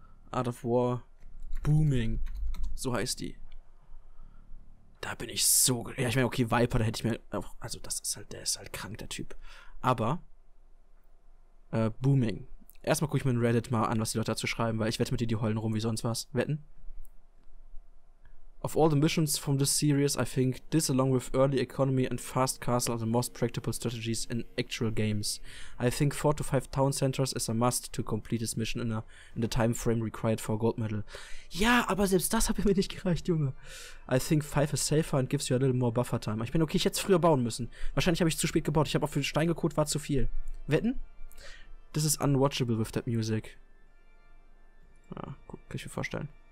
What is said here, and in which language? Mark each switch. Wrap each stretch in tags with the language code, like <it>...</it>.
<de>Art of War Booming. So heißt die. Da bin ich so... Ja, ich meine, okay, Viper, da hätte ich mir... Also, das ist halt... Der ist halt krank, der Typ. Aber... Booming. Erstmal gucke ich mir in Reddit mal an, was die Leute dazu schreiben, weil ich wette mit dir, die heulen rum wie sonst was. Wetten?</de> <en>Of all the missions from this series, I think this along with early economy and fast castle are the most practical strategies in actual games. I think 4 to 5 town centers is a must to complete this mission in the time frame required for a gold medal.</en> <de>Ja, aber selbst das hat mir nicht gereicht, Junge.</de> <en>I think 5 is safer and gives you a little more buffer time.</en> <de>Ich bin okay, ich hätte es früher bauen müssen. Wahrscheinlich habe ich zu spät gebaut. Ich habe auch für den Stein gekotet, war zu viel. Wetten?</de> <en>This is unwatchable with that music.</en> <de>Ja, gut, kann ich mir vorstellen.</de>